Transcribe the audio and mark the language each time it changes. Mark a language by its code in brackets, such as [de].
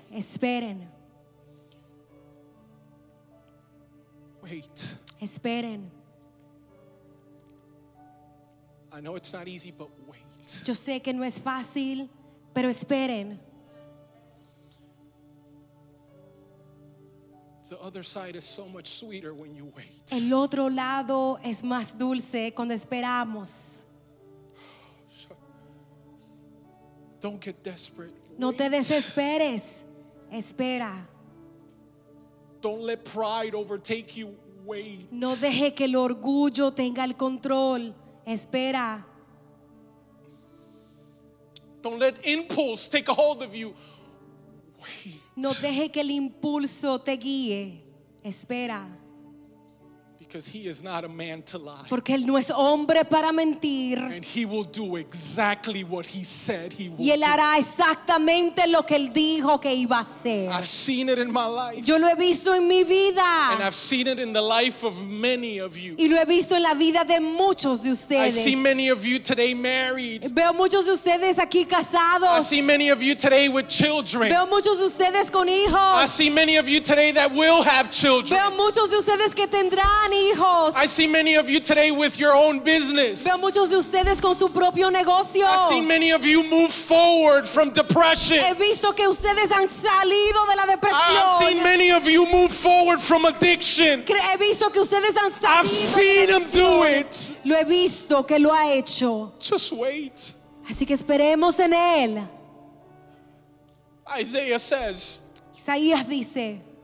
[es] Esperen. [en] Wait. [es] Esperen. [en] I know it's not easy, but wait. [es] Yo sé que no es fácil, pero esperen. [en] The other side is so much sweeter when you wait. [es] El otro lado es más dulce cuando esperamos. [en] Don't get desperate. [es] No [en] wait. [es] Te desesperes. Espera. [en] Don't let pride overtake you. Wait. [es] No deje que el orgullo tenga el control. Espera. [en] Don't let impulse take a hold of you. Wait. [es] No deje que el impulso te guíe. Espera. [en] Because he is not a man to lie. [es] Porque él no es hombre para mentir. [en] And he will do exactly what he said he would. [es] Y él hará exactamente lo que él dijo que iba a hacer. [en] I've seen it in my life. [es] Yo lo he visto en mi vida. [en] And I've seen it in the life of many of you. [es] Y lo he visto en la vida de muchos de ustedes. [en] I see many of you today married. [es] Veo muchos de ustedes aquí casados. [en] I see many of you today with children. [es] Veo muchos de ustedes con hijos. [en] I see many of you today that will have children. [es] Veo muchos de ustedes que tendrán. [en] I see many of you today with your own business. [es] Veo muchos de ustedes con su propio negocio. [en] I see many of you move forward from depression. [es] He visto que ustedes han salido de la depresión. [en] I've seen many of you move forward from addiction. [es] He visto que ustedes han salido [en] I've seen him do it. [es] Lo he visto que lo ha hecho. [en] Just wait. [es] Así que esperemos en él. [en] Isaiah says. [es] Isaías dice.